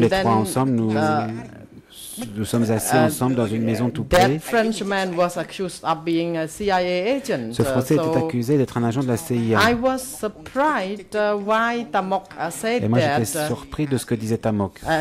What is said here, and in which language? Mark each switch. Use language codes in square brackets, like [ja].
[fr] les trois ensemble, nous sommes assis ensemble dans une maison tout près. [en] That Frenchman was accused of being a CIA agent. [fr] Ce Français était accusé d'être un agent de la CIA. [en] I was surprised why Tamok said that. [fr] Et moi j'étais surpris de ce que disait Tamok.